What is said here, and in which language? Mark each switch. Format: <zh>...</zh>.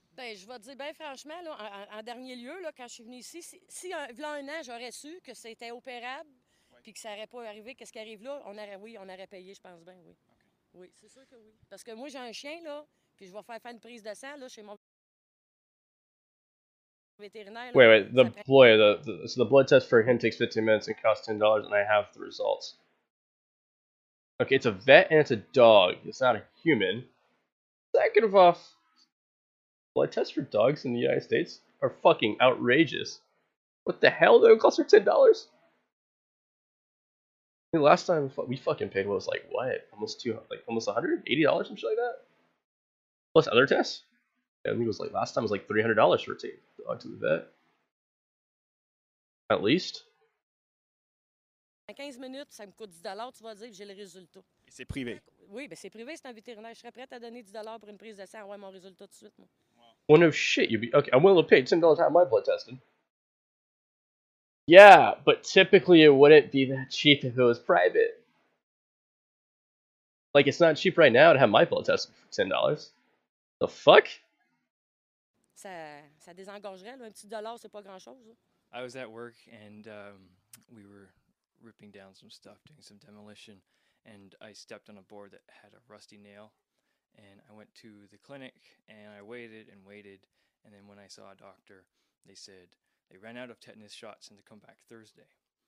<fr>Ben, je vais te dire, ben franchement, là, en dernier lieu, là, quand je suis venu ici, si un an, j'aurais su que c'était opérable, puis que ça n'aurait pas arrivé, qu'est-ce qui arrive là? On aurait payé, je pense bien, oui. Okay. Oui, c'est sûr que oui. Parce que moi, j'ai un chien, là, puis je vais faire une prise de sang, là, chez mon vétérinaire. Là,</fr> <en>wait, the blood test for him takes 15 minutes and costs $10, and I have the results. Okay, it's a vet and it's a dog. It's not a human. Second of all, blood tests for dogs in the United States are fucking outrageous. What the hell? They cost her $10? I mean, last time we fucking paid was like, what? Almost $180? Some shit like that? Plus other tests? Yeah, I think it was like, last time it was like $300 for a dog to the vet. At least.</en> <fr>En 15 minutes, ça me coûte 10$, tu vas dire, j'ai le résultat. Et c'est privé. Oui, ben c'est privé, c'est un vétérinaire. Je serais prête à donner 10$ pour une prise de sang, avoir mon résultat tout de suite, moi.</fr> <en>Well, no shit, you'd be... Okay, I'm willing to pay $10 to have my blood tested. Yeah, but typically it wouldn't be that cheap if it was private. Like, it's not cheap right now to have my blood tested for $10. The fuck?</en> <fr>Ça désengorgerait, là. Un petit dollar, c'est pas grand-chose.</fr> <en>I was at work, and we were ripping down some stuff, doing some demolition, and I stepped on a board that had a rusty nail. And I went to the clinic, and I waited and waited, and then when I saw a doctor, they said they ran out of tetanus shots and to come back Thursday.</en>